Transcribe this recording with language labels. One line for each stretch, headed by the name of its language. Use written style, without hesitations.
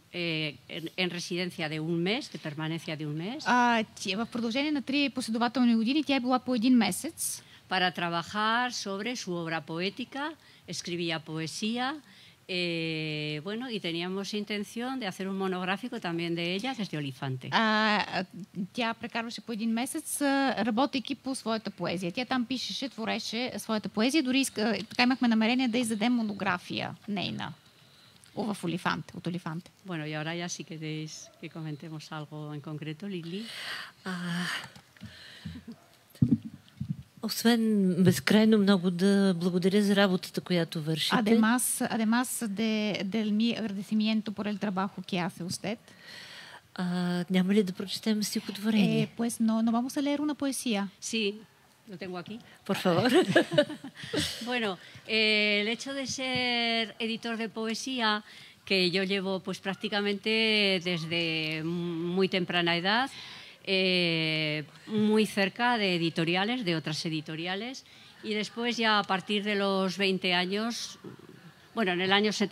Spanish: en резиденция de un mes, de permanencia de un mes.
Bulgarian: В продължение на три последователни години тя е била по един месец.
Spanish: Para trabajar sobre su obra poética, escribía poesía, bueno, y teníamos intención de hacer un monográfico también de ella desde Olifante.
Bulgarian: Тя прекарваше по един месец, работейки по своята поезия. Тя там пишеше, твореше своята поезия, дори така имахме намерение да издадем монография нейна в Олифанте, от Олифанте.
Spanish: Bueno, y ahora ya si queréis que comentemos algo en concreto, Lili.
Bulgarian: Освен безкрайно много да благодаря за работата, която вършите.
Spanish: Además del mi agradecimiento por el trabajo que hace usted.
Bulgarian: Няма ли да прочетем стихотворение?
Spanish: Pues no vamos a leer una poesía. Sí, lo tengo aquí. Por favor. Bueno, el hecho de ser editor de poesía, que yo llevo pues prácticamente desde muy temprana edad, muy cerca de editoriales, de otras editoriales, y después ya a partir de los 20 años, bueno, en el año